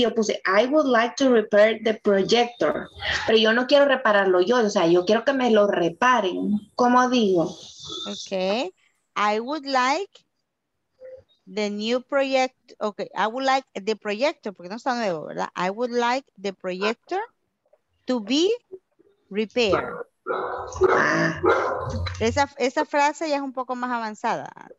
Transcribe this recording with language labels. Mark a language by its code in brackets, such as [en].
[es] Yo puse, [en] I would like to repair the projector. [es] Pero yo no quiero repararlo yo. O sea, yo quiero que me lo reparen. ¿Cómo digo? [en] Ok. I would like the new project. Ok. I would like the projector. [es] Porque no está nuevo, ¿verdad? [en] I would like the projector to be repaired. [es] Esa frase ya es un poco más avanzada.